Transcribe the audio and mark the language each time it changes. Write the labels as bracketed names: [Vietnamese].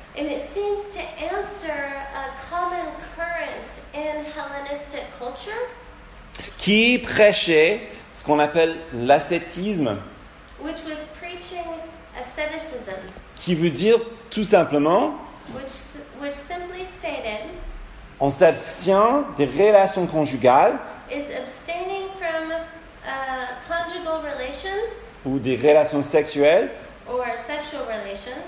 [English] And it seems to answer a common current in Hellenistic culture. [French] Qui prêchait ce qu'on appelle l'ascétisme. [English] Which was preaching asceticism. [French] Qui veut dire tout simplement. [English] Which simply stated. [French] On s'abstient des relations conjugales. [English] Is abstaining from conjugal relations. [French] Ou des relations sexuelles. [English] Or sexual relations.